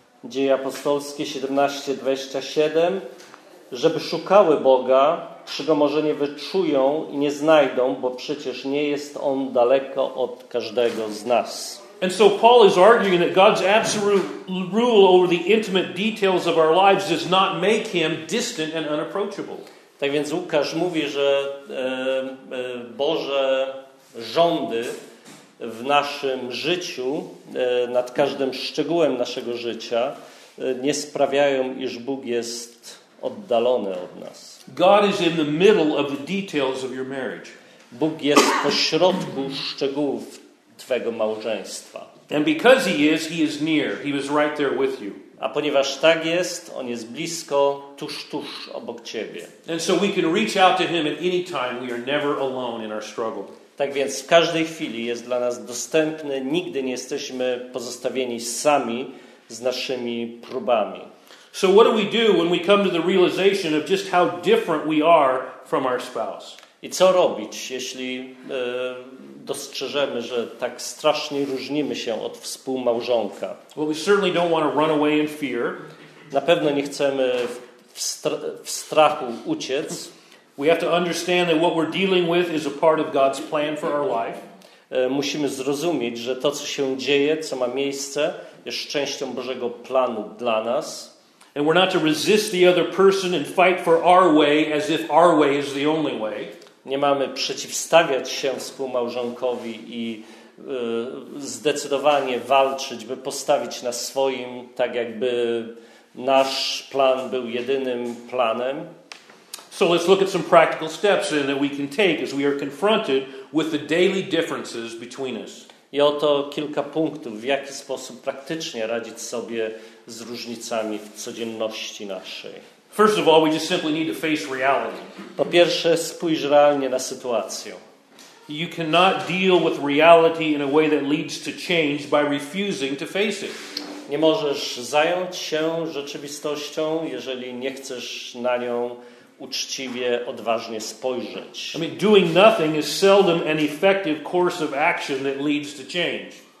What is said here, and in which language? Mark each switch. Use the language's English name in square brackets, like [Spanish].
[Polish] Dzieje apostolskie 17:27, żeby szukały Boga, czy go może nie wyczują i nie znajdą, bo przecież nie jest on daleko od każdego z nas. [English] And so Paul is arguing that God's absolute rule over the intimate details of our lives does not make him distant and unapproachable. [Polish] Tak więc Łukasz mówi, że Boże rządy w naszym życiu, nad każdym szczegółem naszego życia, nie sprawiają, iż Bóg jest oddalony od nas. [English] God is in the middle of the details of your marriage. [Polish] Bóg jest pośrodku szczegółów twojego małżeństwa. [English] And because he is near. He was right there with you. [Polish] A ponieważ tak jest, on jest blisko, tuż obok ciebie. [English] And so we can reach out to him at any time. We are never alone in our struggle. [Polish] Tak więc w każdej chwili jest dla nas dostępny, nigdy nie jesteśmy pozostawieni sami z naszymi próbami. [English] So what do we do when we come to the realization of just how different we are from our spouse? [Polish] I co robić, jeśli dostrzeżemy, że tak strasznie różnimy się od współmałżonka? [English] Well, we certainly don't want to run away in fear. [Polish] Na pewno nie chcemy w strachu uciec. [English] We have to understand that what we're dealing with is a part of God's plan for our life. [Polish] Musimy zrozumieć, że to, co się dzieje, co ma miejsce, jest częścią Bożego planu dla nas. [English] And we're not to resist the other person and fight for our way as if our way is the only way. [Polish] Nie mamy przeciwstawiać się współmałżonkowi i zdecydowanie walczyć, by postawić na swoim, tak jakby nasz plan był jedynym planem. [English] So let's look at some practical steps then that we can take as we are confronted with the daily differences between us. [Polish] I oto kilka punktów, w jaki sposób praktycznie radzić sobie z różnicami w codzienności naszej. [English] First of all, we just simply need to face reality. [Polish] Po pierwsze, spójrz realnie na sytuację. [English] You cannot deal with reality in a way that leads to change by refusing to face it. [Polish] Nie możesz zająć się rzeczywistością, jeżeli nie chcesz na nią uczciwie, odważnie spojrzeć. [English] I mean, doing nothing is seldom an effective course of action that leads to change.